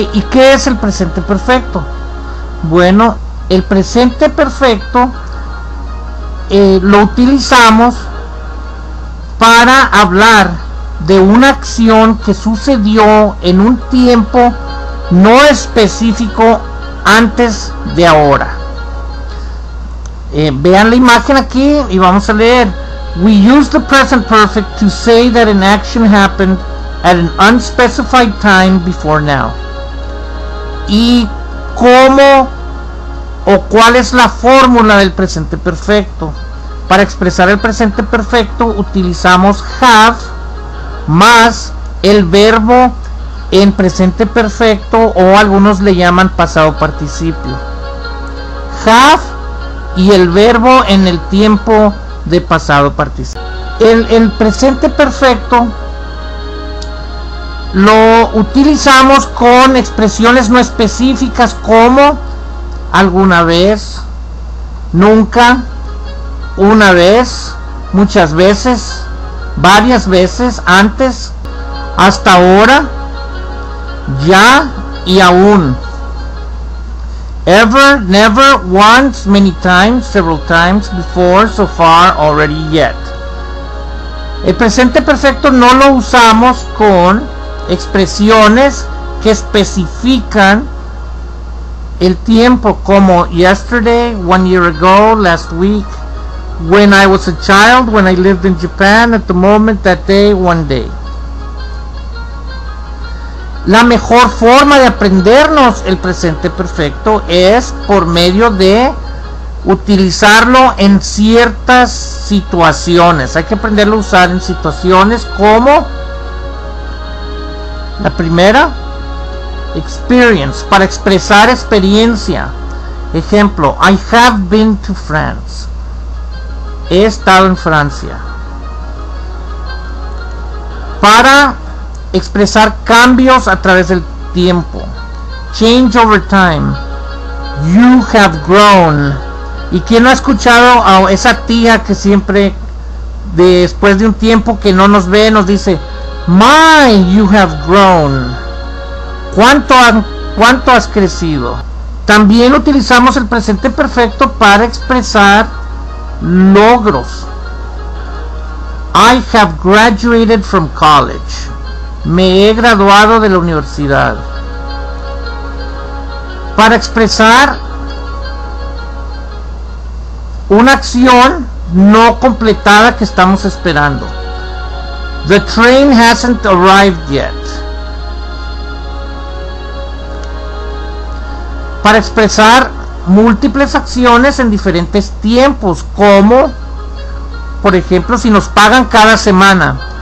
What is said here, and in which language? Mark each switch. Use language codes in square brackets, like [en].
[es] ¿Y qué es el presente perfecto? Bueno, el presente perfecto lo utilizamos para hablar de una acción que sucedió en un tiempo no específico antes de ahora. Vean la imagen aquí y vamos a leer. [en] We use the present perfect to say that an action happened at an unspecified time before now. [es] ¿Y cómo o cuál es la fórmula del presente perfecto? Para expresar el presente perfecto utilizamos have más el verbo en presente perfecto, o algunos le llaman pasado participio. Have y el verbo en el tiempo de pasado participio. El presente perfecto lo utilizamos con expresiones no específicas como alguna vez, nunca, una vez, muchas veces, varias veces, antes, hasta ahora, ya y aún. [en] Ever, never, once, many times, several times, before, so far, already, yet. [es] El presente perfecto no lo usamos con expresiones que especifican el tiempo, como yesterday, one year ago, last week, when I was a child, when I lived in Japan, at the moment, that day, one day. La mejor forma de aprendernos el presente perfecto es por medio de utilizarlo en ciertas situaciones. Hay que aprenderlo a usar en situaciones como la primera, experience, para expresar experiencia. [en] Ejemplo, I have been to France. [es] He estado en Francia. Para expresar cambios a través del tiempo. [en] Change over time. You have grown. [es] ¿Y quién no ha escuchado a esa tía que siempre, después de un tiempo que no nos ve, nos dice, [en] my, you have grown. [es] ¿Cuánto has crecido? También utilizamos el presente perfecto para expresar logros. [en] I have graduated from college. [es] Me he graduado de la universidad. Para expresar una acción no completada que estamos esperando. [en] The train hasn't arrived yet. [es] Para expresar múltiples acciones en diferentes tiempos, como, por ejemplo, si nos pagan cada semana.